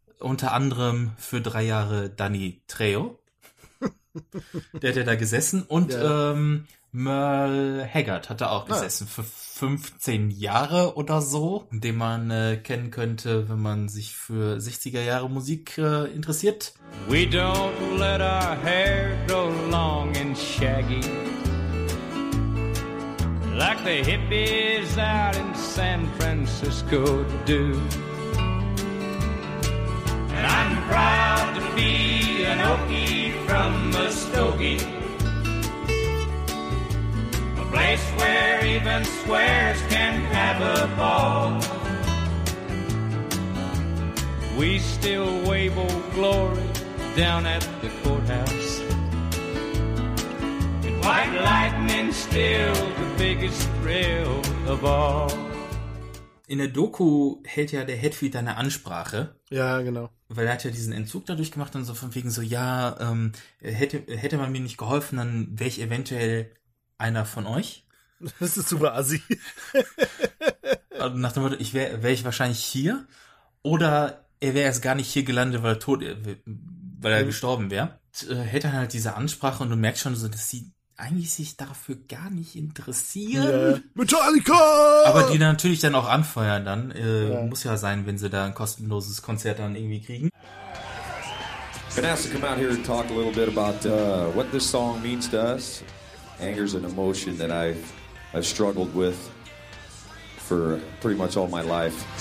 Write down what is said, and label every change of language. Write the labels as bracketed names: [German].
[German] Unter anderem für 3 Jahre Danny Trejo. Der hat ja da gesessen. Und ja. Merle Haggard hat da auch gesessen. Für 15 Jahre oder so. Den man kennen könnte, wenn man sich für 60er-Jahre Musik interessiert. [English] We don't let our hair grow long and shaggy. Like the hippies out in San Francisco do. I'm proud to be an Okie from Muskogee. place where even squares can have a ball. We still wave old glory down at the courthouse, and white lightning still the biggest thrill of all. [German] In der Doku hält ja der Hetfield da eine Ansprache. Ja, genau. Weil er hat ja diesen Entzug dadurch gemacht und so von wegen so, ja, hätte man mir nicht geholfen, dann wäre ich eventuell einer von euch. Das ist super assi. Also nach dem Motto, wäre ich wahrscheinlich hier, oder er wäre erst gar nicht hier gelandet, weil er gestorben wäre. Hätte dann halt diese Ansprache und du merkst schon so, dass sie eigentlich sich dafür gar nicht interessieren. [English] Yeah. Metallica! [German] Aber die natürlich dann auch anfeuern dann. Muss ja sein, wenn sie da ein kostenloses Konzert dann irgendwie kriegen. [English] Been asked to come out here and talk a little bit about what this song means to us. Anger's an emotion that I've struggled with for pretty much all my life.